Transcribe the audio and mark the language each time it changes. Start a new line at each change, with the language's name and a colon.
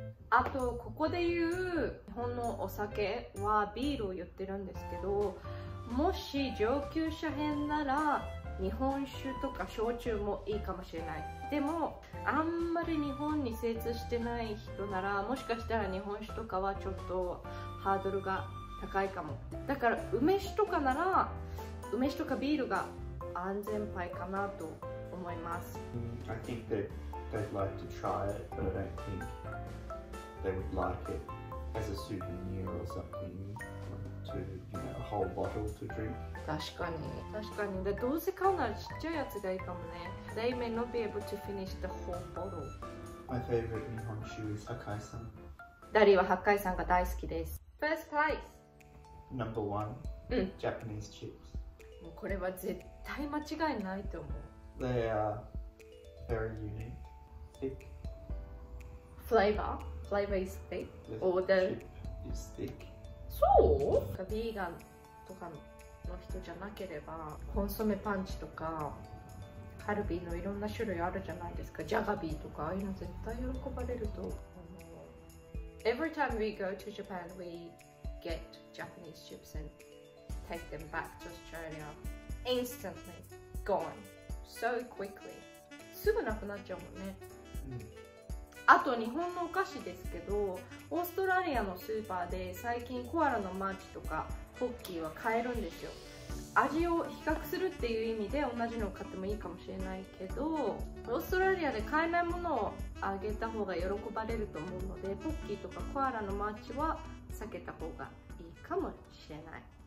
Japanese: あとここで言う日本のお酒はビールを言ってるんですけど、もし上級者編なら日本酒とか焼酎もいいかもしれない。でもあんまり日本に精通してない人なら、もしかしたら日本酒とかはちょっとハードルが高いかも。だから梅酒とかなら、梅酒とかビールが安全牌かなと思います。
English: I think that they'd like to try it, but I don't think they would like it as a souvenir or something to, you know, a whole bottle to drink.
Japanese: 確かに、確かに。で、どうせ買うならちっちゃいやつがいいかもね。
English: They may not be able to finish the whole bottle. My favorite 日本酒is Hakkai-san.
Japanese: ダリーは Hakkai-san が大好きです。
English: First place! Number one,、うん、 Japanese chips.
Japanese: もうこれは絶対間違いないと思う。
English: They are very unique. Thick. Flavor? Flavor is thick? Or the chip is thick.
Japanese: そう？ビーガンとかの人じゃなければ、コンソメパンチとか、カルビーのいろんな種類あるじゃないですか。ジャガビーとか、ああいうの絶対喜ばれると思う。
English: Every time we go to Japan, we... get Japanese chips and take them back to Australia instantly. Gone. So quickly.
Japanese: すぐなくなっちゃうもんね。うん、あと日本のお菓子ですけど、オーストラリアのスーパーで最近コアラのマーチとかポッキーは買えるんですよ。味を比較するっていう意味で同じのを買ってもいいかもしれないけど、オーストラリアで買えないものをあげた方が喜ばれると思うので、ポッキーとかコアラのマーチは避けた方がいいかもしれない。